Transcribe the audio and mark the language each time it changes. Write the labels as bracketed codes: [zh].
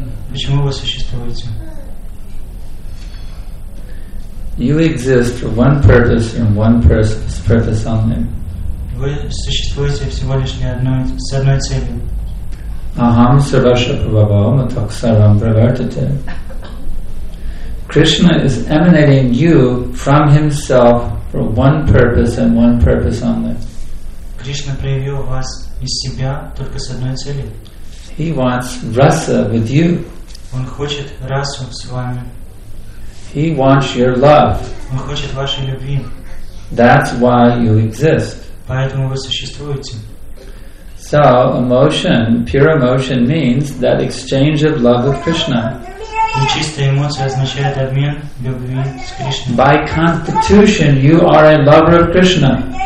[ru] Почему вы существуете? [en] You exist for one purpose and one purpose only. [ru] Вы существуете всего лишь для одной цели. [sa] Aham sarvasya prabhavam atak sarvam pravartate. [en] Krishna is emanating you from himself for one purpose and one purpose only. [ru] Krishna проявил вас из себя только с одной целью. [en] He wants rasa with you. [ru] Он хочет расу с вами. [en] He wants your love. [ru] Он хочет вашей любви. [en] That's why you exist. [ru] Поэтому вы существуете. [en] So, emotion, pure emotion means that exchange of love with Krishna. [ru] Чистая эмоция означает обмен любви с Кришной. [en] By constitution, you are a lover of Krishna.